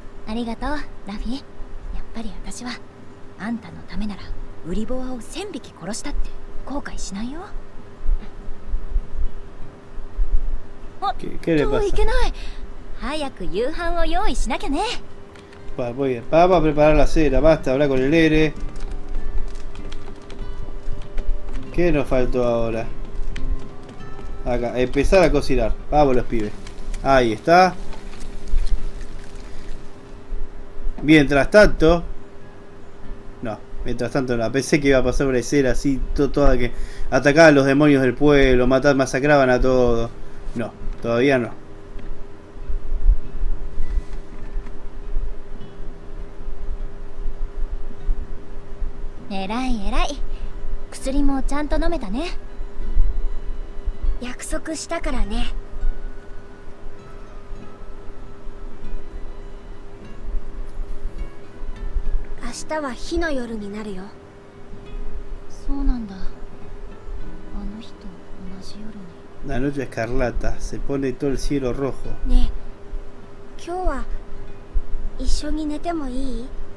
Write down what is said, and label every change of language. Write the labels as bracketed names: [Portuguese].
[Japanese] ありがとう、ラフィ。やっぱり私はあんたのためならウリボワを千匹殺したって後悔しないよ。といけない。早く夕飯を用意しなきゃね。 [Spanish] Va, voy a, vamos a preparar la cena. Basta, habla con el Ere. ¿Qué nos faltó ahora? Acá, empezar a cocinar. Vamos los pibes. Ahí está. Mientras tanto. No, mientras tanto no. Pensé que iba a pasar una escena así toda que atacaban los demonios del pueblo, mataban, masacraban a todos. No, todavía no. [Japanese] えらいえらい、薬もちゃんと飲めたね。約束したからね。明日は火の夜になるよ。そうなんだ。あの人同じ夜に。 [Spanish] La noche escarlata se pone todo el cielo rojo。 [Japanese] ねえ、今日は一緒に寝てもいい？